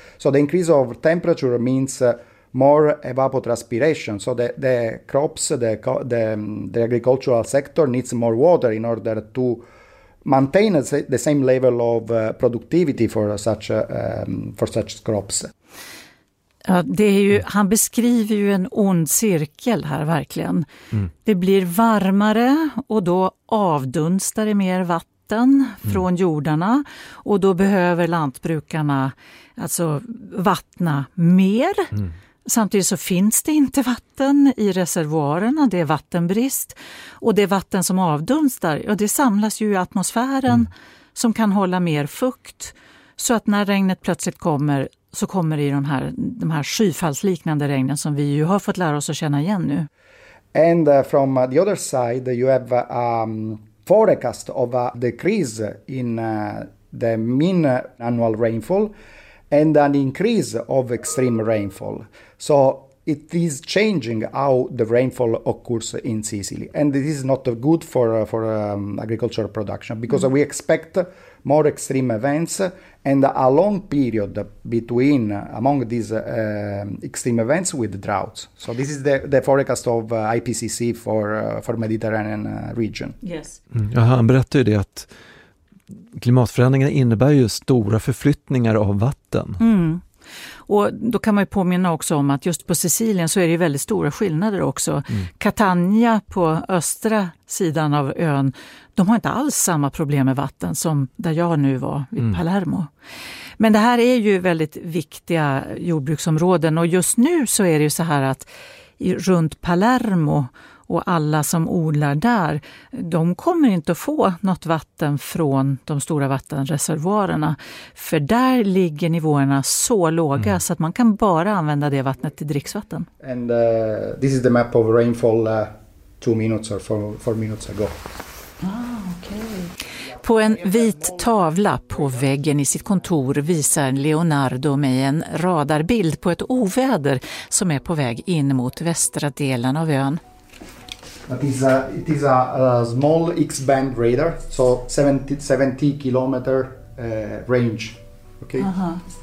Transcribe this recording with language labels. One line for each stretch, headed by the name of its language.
English: So the increase of temperature means more evapotranspiration, so the crops, the agricultural sector needs more water in order to maintain the same level of productivity for such crops.
Swedish: Ja, det är ju, han beskriver ju en ond cirkel här verkligen. Mm. Det blir varmare och då avdunstar det mer vatten från jordarna, och då behöver lantbrukarna alltså vattna mer. Mm. Samtidigt så finns det inte vatten i reservoarerna, det är vattenbrist. Och det vatten som avdunstar, ja, det samlas ju i atmosfären som kan hålla mer fukt. Så att när regnet plötsligt kommer, så kommer det i de här skyfallsliknande regnen som vi ju har fått lära oss att känna igen nu.
English: And from the other side you have a forecast of a decrease in the mean annual rainfall and an increase of extreme rainfall. So it is changing how the rainfall occurs in Sicily. And this is not good for agricultural production, because we expect more extreme events and a long period between among these extreme events with droughts. So this is the forecast of IPCC for Mediterranean region. Yes. Mm.
Swedish: Aha, han berättade ju det att klimatförändringarna innebär ju stora förflyttningar av vatten. Mm. Och då kan man ju påminna också om att just på Sicilien så är det ju väldigt stora skillnader också. Mm. Catania på östra sidan av ön, de har inte alls samma problem med vatten som där jag nu var i Palermo. Men det här är ju väldigt viktiga jordbruksområden, och just nu så är det ju så här att runt Palermo och alla som odlar där, de kommer inte att få något vatten från de stora vattenreservoarerna. För där ligger nivåerna så låga så att man kan bara använda det vattnet till dricksvatten.
English: And this is the map of rainfall 2 minutes or 4 minutes ago.
Swedish: På en vit tavla på väggen i sitt kontor visar Leonardo mig en radarbild på ett oväder som är på väg in mot västra delen av ön.
English: It is a small X-band radar, so 70 kilometer range. Okay? Uh-huh.